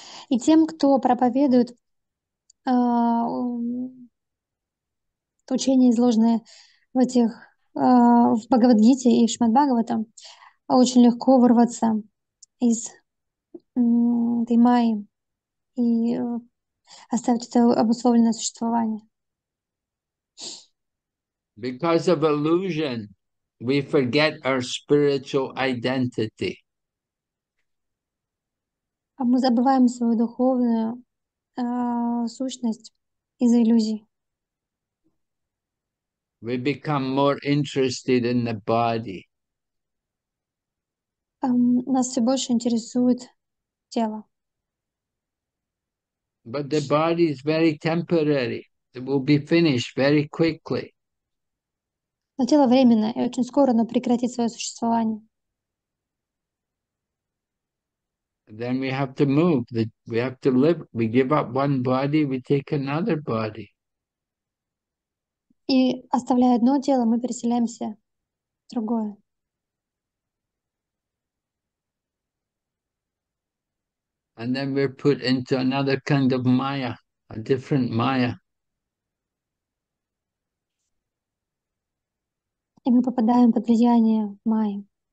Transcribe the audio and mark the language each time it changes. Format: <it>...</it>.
<ru>И тем, кто проповедует учение, изложенное в этих в Бхагавадгите и Шримад-Бхагаватам, очень легко вырваться из этой Майи и оставить это обусловленное существование.</ru> <en>Because of illusion, we forget our spiritual identity.</en> <ru>А мы забываем свою духовную сущность из-за иллюзий.</ru> <en>We become more interested in the body.</en> <ru>Нас все больше интересует тело.</ru> <en>But the body is very temporary. It will be finished very quickly.</en> <ru>Но тело временно, и очень скоро оно прекратит свое существование.</ru> <en>Then we have to move. We have to live. We give up one body, we take another body.</en> <ru>И оставляя одно тело, мы переселяемся в другое.</ru> <en>And then we're put into another kind of Maya, a different Maya.</en> <ru>И мы попадаем под влияние Майи.</ru>